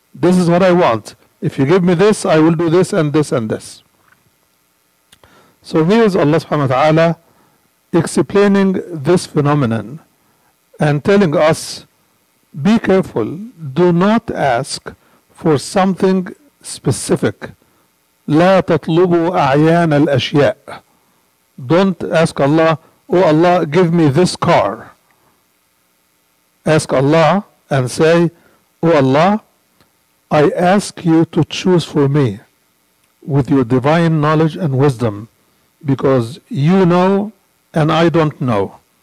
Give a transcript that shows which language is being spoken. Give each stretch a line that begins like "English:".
English: This is what I want. If you give me this, I will do this and this and this. So here's Allah subhanahu wa ta'ala explaining this phenomenon and telling us, be careful. Do not ask for something specific.
Arabic: لا تطلبوا أعيان الأشياء.
English: Don't ask Allah, oh Allah, give me this car. Ask Allah and say, oh Allah, I ask you to choose for me with your divine knowledge and wisdom, because you know and I don't know.